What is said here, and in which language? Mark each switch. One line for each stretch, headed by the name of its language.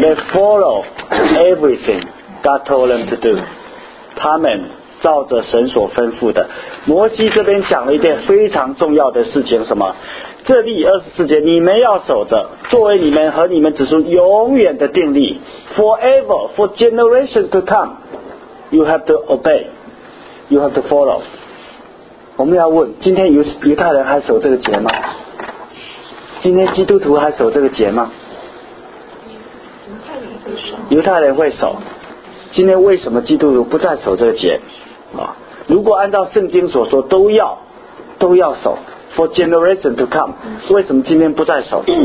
English: They follow everything God told them to do，
Chinese: 他们照着神所吩咐的。摩西这边讲了一件非常重要的事情，什么？这里二十四节，你们要守着，作为你们和你们子孙永远的定例。
English: Forever for generations to come you have to obey you have to follow。
Chinese: 我们要问，今天犹太人还守这个节吗？今天基督徒还守这个节吗？犹太人会守。今天为什么基督徒不再守这个节？如果按照圣经所说，都要守
English: for generation to come，
Chinese: 为什么今天不再守？